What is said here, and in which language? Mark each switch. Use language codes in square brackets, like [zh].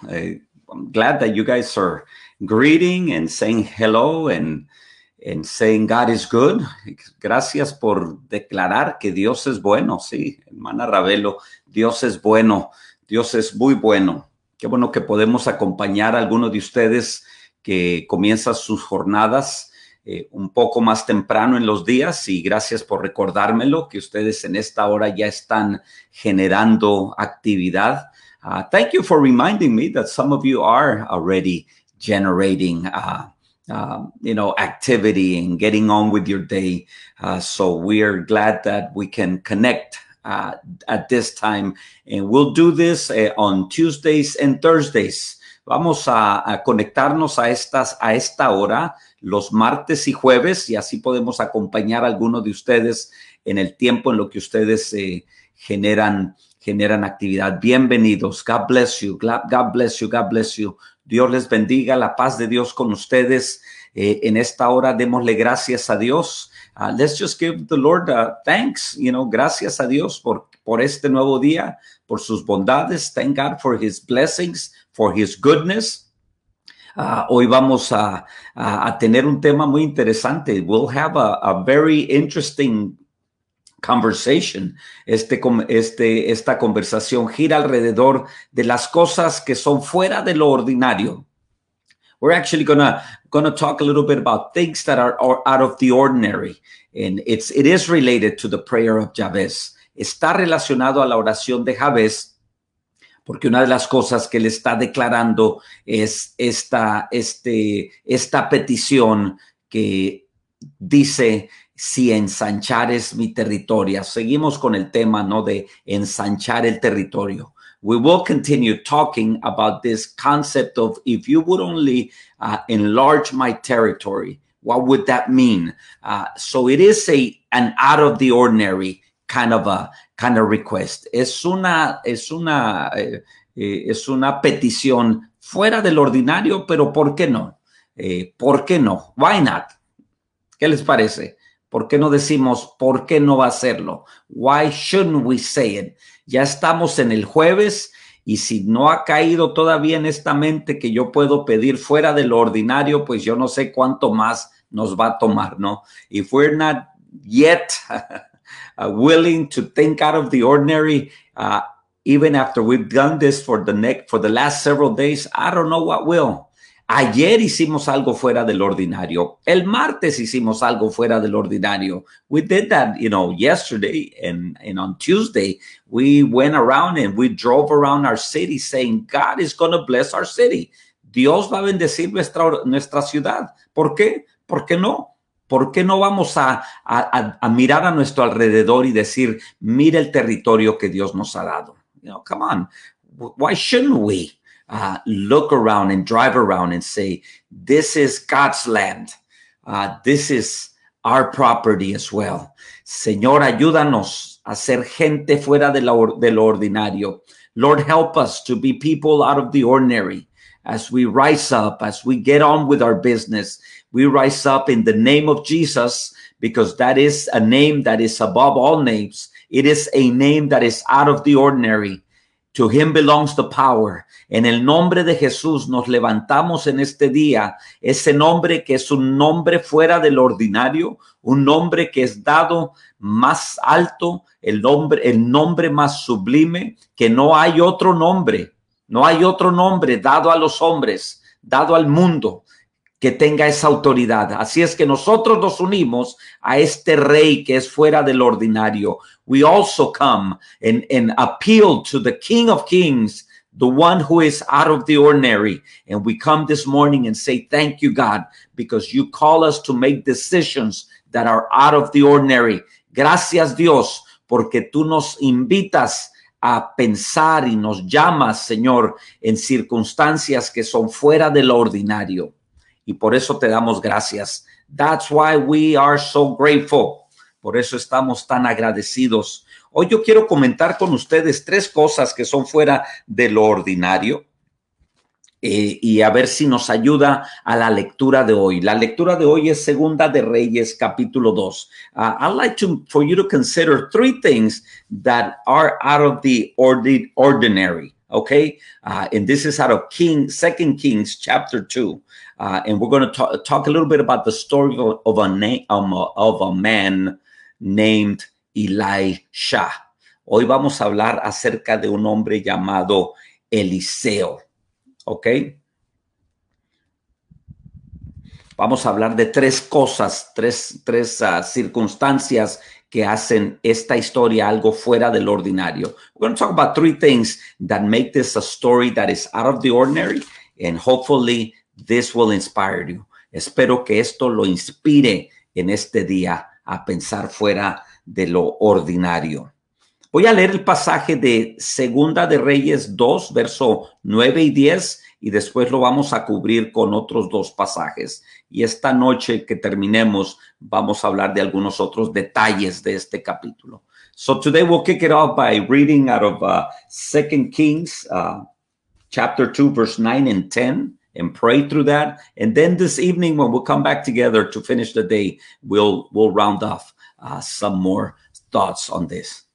[en] I'm glad that you guys are greeting and saying hello and saying God is good. [es] Gracias por declarar que Dios es bueno. Sí, hermana Ravelo, Dios es bueno, Dios es muy bueno. Qué bueno que podemos acompañar a algunos de ustedes que comienzan sus jornadas un poco más temprano en los días, y gracias por recordármelo que ustedes en esta hora ya están generando actividad. [en] Thank you for reminding me that some of you are already generating, activity and getting on with your day. So we are glad that we can connect at this time. And we'll do this on Tuesdays and Thursdays. [es] Vamos a conectarnos a esta hora los martes y jueves, y así podemos acompañar a algunos de ustedes en el tiempo en lo que ustedes generan actividad. Bienvenidos. [en] God bless you. God bless you. God bless you. [es] Dios les bendiga. La paz de Dios con ustedes. En esta hora, démosle gracias a Dios. [en] Let's just give the Lord thanks. [es] Gracias a Dios por este nuevo día, por sus bondades. [en] Thank God for his blessings, for his goodness. [es] Hoy vamos a tener un tema muy interesante. [en] We'll have a very interesting conversation. [es] Esta conversación gira alrededor de las cosas que son fuera de lo ordinario. [en] We're actually gonna talk a little bit about things that are out of the ordinary. And it is related to the prayer of Jabez. [es] Está relacionado a la oración de Jabez, porque una de las cosas que él está declarando es esta petición que dice: si ensanchares mi territorio. Seguimos con el tema, ¿no?, de ensanchar el territorio. [en] We will continue talking about this concept of if you would only enlarge my territory, what would that mean? So it is an out of the ordinary kind of request. [es] Es una petición fuera del ordinario, pero ¿por qué no? ¿Por qué no? [en] Why not? [es] ¿Qué les parece? ¿Por qué no decimos por qué no va a hacerlo? [en] Why shouldn't we say it? [es] Ya estamos en el jueves, y si no ha caído todavía en esta mente que yo puedo pedir fuera de lo ordinario, pues yo no sé cuánto más nos va a tomar, ¿no? [en] If we're not yet willing to think out of the ordinary, even after we've done this for the last several days, I don't know what will. [es] Ayer hicimos algo fuera del ordinario. El martes hicimos algo fuera del ordinario. [en] We did that, yesterday, and on Tuesday, we went around and we drove around our city saying, God is going to bless our city. [es] Dios va a bendecir nuestra ciudad. ¿Por qué? ¿Por qué no? ¿Por qué no vamos a mirar a nuestro alrededor y decir, mira el territorio que Dios nos ha dado? [en] Come on. Why shouldn't we look around and drive around and say, this is God's land. This is our property as well. [es] Señor, ayúdanos a ser gente fuera de lo ordinario. [en] Lord, help us to be people out of the ordinary. As we rise up, as we get on with our business, we rise up in the name of Jesus, because that is a name that is above all names. It is a name that is out of the ordinary. To him belongs the power. [es] En el nombre de Jesús nos levantamos en este día. Ese nombre que es un nombre fuera del ordinario, un nombre que es dado más alto, el nombre más sublime, que no hay otro nombre. No hay otro nombre dado a los hombres, dado al mundo, que tenga esa autoridad. Así es que nosotros nos unimos a este rey que es fuera del ordinario. [en] We also come and appeal to the King of Kings, the one who is out of the ordinary. And we come this morning and say, thank you, God, because you call us to make decisions that are out of the ordinary. [es] Gracias, Dios, porque tú nos invitas a pensar y nos llamas, Señor, en circunstancias que son fuera de lo ordinario. Y por eso te damos gracias. [en] That's why we are so grateful. [es] Por eso estamos tan agradecidos. Hoy yo quiero comentar con ustedes tres cosas que son fuera de lo ordinario. Y a ver si nos ayuda a la lectura de hoy. La lectura de hoy es Segunda de Reyes, capítulo 2. [en] I'd like to, for you to consider three things that are out of the ordinary, okay? And this is out of Second Kings, chapter 2. And we're going to talk a little bit about the story of a man named Elisha. [es] Hoy vamos a hablar acerca de un hombre llamado Eliseo. Ok, vamos a hablar de tres cosas, tres circunstancias que hacen esta historia algo fuera del ordinario. We're going to talk about three things that make this a story that is out of the ordinary, and hopefully this will inspire you. Espero que esto lo inspire en este día a pensar fuera de lo ordinario. Voy a leer el pasaje de Segunda de Reyes 2, verso 9 y 10, y después lo vamos a cubrir con otros dos pasajes. Y esta noche que terminemos, vamos a hablar de algunos otros detalles de este capítulo. [en] So today we'll kick it off by reading out of 2 Kings, chapter 2, verse 9 and 10, and pray through that. And then this evening, when we'll come back together to finish the day, we'll round off some more thoughts on this.